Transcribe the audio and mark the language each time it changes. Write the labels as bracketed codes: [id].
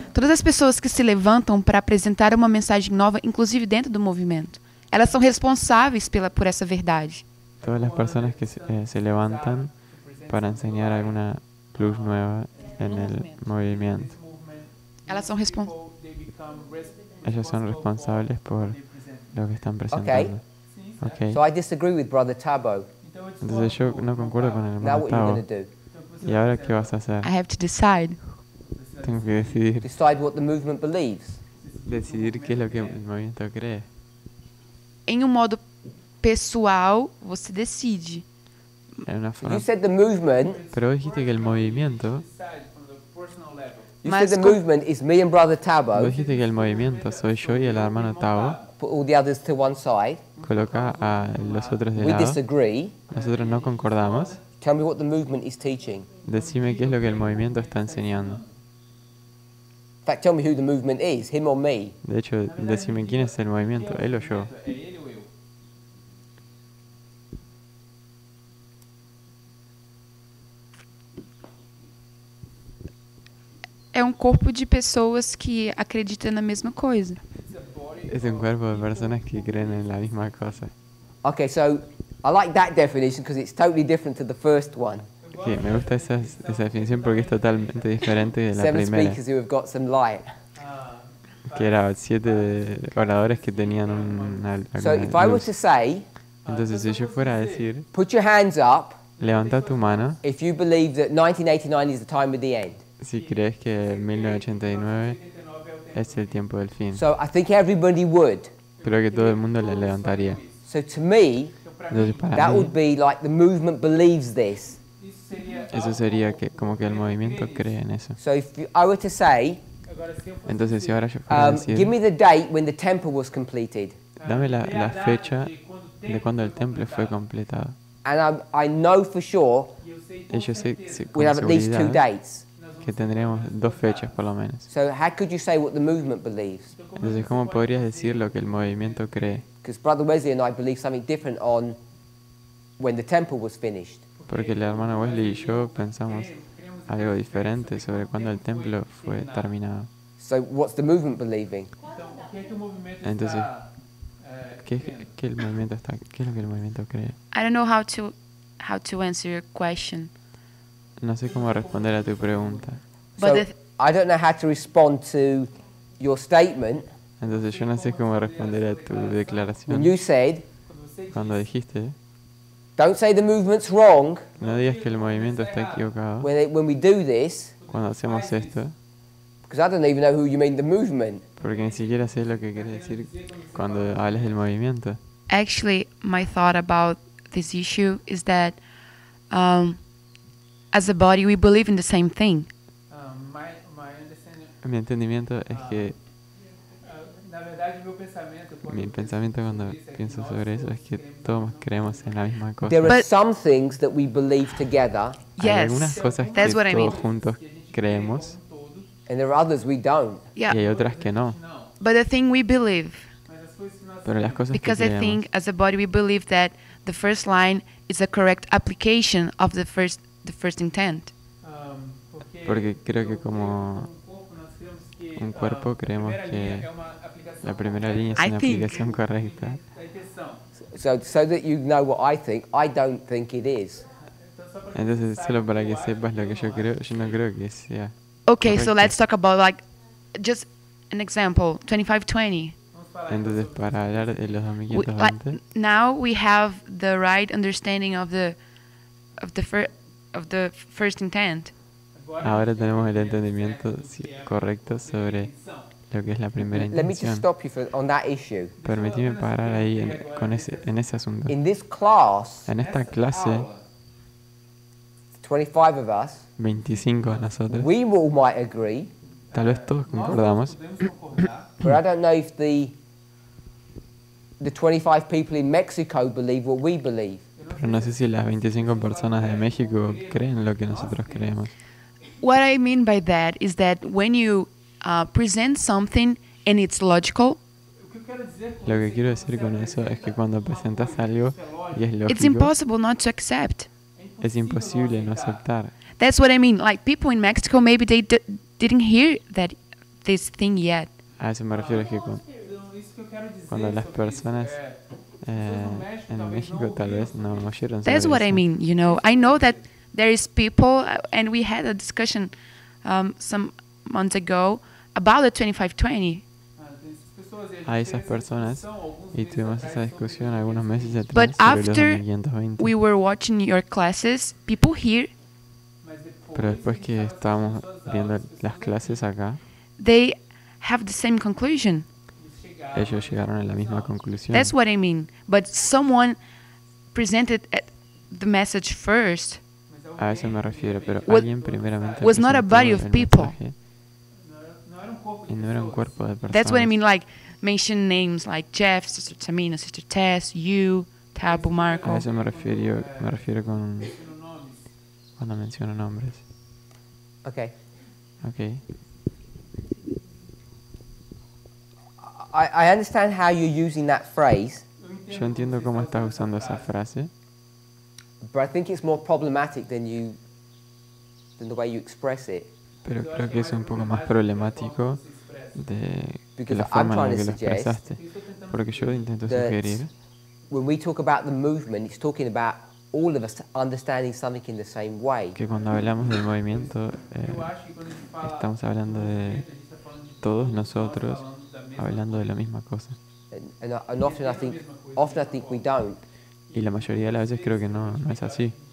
[pt] Todas as pessoas que se levantam para apresentar uma mensagem nova, inclusive dentro do movimento, elas são responsáveis por essa verdade. Todas as pessoas que se levantam para ensinar alguma luz nova no movimento. Elas são responsáveis. Elas são responsáveis por o que estão apresentando. [en] Ok. Okay. So I disagree with Brother Tabo. [es] Entonces yo no concuerdo con el hermano Tabo. [en] Now what are you going to do? [es] ¿Y ahora qué vas a hacer? [en] I have to decide. [es] Tengo que decidir. [en] Decide what the movement believes. [es] Decidir qué es lo que el movimiento cree. En un modo [pt] pessoal, você decide. [es] En una forma. [en] You said the movement. [es] Pero dijiste que el movimiento. [en] You said the movement is me and Brother Tabo. [es] Dijiste que el movimiento soy yo y el hermano Tabo. [en] Put all the others to one side. [es] Coloca a los otros de [en] we [es] lado. [en] Disagree. [es] Nosotros no concordamos. [en] Tell me what the movement is teaching. [es] Decime qué es lo que el movimiento está enseñando. [en] In fact, tell me who the movement is, him or me. [es] De hecho, decime quién es el movimiento, él o yo. Es un cuerpo de personas que acreditan en la misma cosa. Es un cuerpo de personas que creen en la misma cosa. [en] Okay, so I like that definition because it's totally different to the first one. [es] Sí, me gusta esa definición porque es totalmente diferente de la [en] seven [es] primera. [en] Seven speakers who have got some light. [es] Que era siete oradores que tenían una luz. [en] So if I were to say, [es] entonces si yo fuera a decir, [en] put your hands up. [es] Levanta tu mano. [en] If you believe that 1989 is the time of the end. [es] Si crees que 1989 es el tiempo del fin. [en] So I think everybody would. [es] Creo que todo el mundo le levantaría. [en] So to me, [es] entonces, para [en] that [es] mí, [en] would be like the movement believes this. [es] Eso sería que como que el movimiento cree en eso. [en] So if I were to say, [es] entonces si ahora yo fuera a decir, [en] give me the date when the temple was completed. [es] Dame la fecha de cuando el templo fue completado. [en] And I know for sure. [es] Y yo sé con seguridad. [en] We'll have at least two dates. [es] Que tendremos dos fechas por lo menos. [en] So how could you say what the movement believes? [es] Entonces, ¿cómo podrías decir lo que el movimiento cree? [en] Because Brother Wesley and I believe something different on when the temple was finished. [es] Porque el hermano Wesley y yo pensamos algo diferente sobre cuando el templo fue terminado. [en] So what's the movement believing? [es] Entonces, ¿qué el movimiento está? ¿Qué es lo que el movimiento cree? [en] I don't know how to answer your question. [es] No sé cómo responder a tu pregunta. [en] I don't know how to respond to your statement. [es] Entonces yo no sé cómo responder a tu declaración. [en] You said, [es] cuando dijiste, [en] don't say the movement's wrong. [es] No digas que el movimiento está equivocado. [en] When we do this, [es] cuando hacemos esto, [en] because I don't even know who you mean the movement. [es] Porque ni siquiera sé lo que quieres decir cuando hablas del movimiento. [en] Actually, my thought about this issue is that as a body, we believe in the same thing. [es] Mi entendimiento es que mi pensamiento cuando pienso sobre eso es que todos creemos en la misma cosa. [en] There are some things that we believe together. Yes. [es] Hay algunas cosas que todos juntos creemos. [en] And there are others we don't. Yeah. [es] Y hay otras que no. [en] But the thing we believe. [es] Pero las cosas [en] because [es] que creemos, [en] I think as a body we believe that the first line is a correct application of the first intent. [es] Porque creo que como un cuerpo creemos que la primera línea es una aplicación correcta. [en] So that you know what I think, I don't think it is. [es] Entonces solo para que sepas lo que yo creo, yo no creo que sea. Okay, correcto. [en] So let's talk about like just an example, 25-20. [es] Entonces para hablar de los 2500 antes. [en] Now we have the right understanding of the first intent. [es] Ahora tenemos el entendimiento correcto sobre lo que es la primera intención. [en] Let me just stop you on that issue. [es] Permíteme parar ahí en ese asunto. [en] In this class, [es] en esta clase, [en] 25 of us, [es] 25 de nosotros, [en] we all might agree, [es] tal vez todos concordamos, [en] but I don't know if the 25 people in Mexico believe what we believe. [es] Pero no sé si las 25 personas de México creen lo que nosotros creemos. [en] What I mean by that is that when you present something and it's logical, [es] lo que quiero decir con eso es que cuando presentas algo y es lógico, [en] it's impossible not to accept. [es] Es imposible no aceptar. [en] That's what I mean. Like people in Mexico, maybe they didn't hear that this thing yet. [es] A eso me refiero, es que cuando las personas en México tal vez no oyeron. [en] That's what I mean. You know, I know that. There is people, and we had a discussion some months ago about the 25-20. [es] Hay esas personas, y tuvimos esa discusión algunos meses atrás. [en] But after we were watching your classes, people here. [es] Pero después que estábamos viendo las clases acá, [en] they have the same conclusion. [es] Ellos llegaron a la misma conclusión. [en] That's what I mean. But someone presented the message first. [es] A eso me refiero, pero [en] what [es] alguien primeramente [en] was not a body of people. [es] Y no era un cuerpo de personas. [en] That's what I mean, like mention names like Jeff, Sister Tamina, Sister Tess, you, Tabu, Marco. [es] A eso me refiero con cuando menciono nombres. [en] Okay. I understand how you're using that phrase. [es] Yo entiendo cómo estás usando esa frase. [en] But I think it's more problematic than the way you express it. [es] Pero creo que es un poco más problemático de la forma en la que lo expresaste. Porque yo intento sugerir. [en] When we talk about the movement, it's talking about all of us understanding something in the same way. [es] Que cuando hablamos del movimiento, estamos hablando de todos nosotros hablando de la misma cosa. [en] And often I think we don't. [es] Y la mayoría de las veces creo que no es así.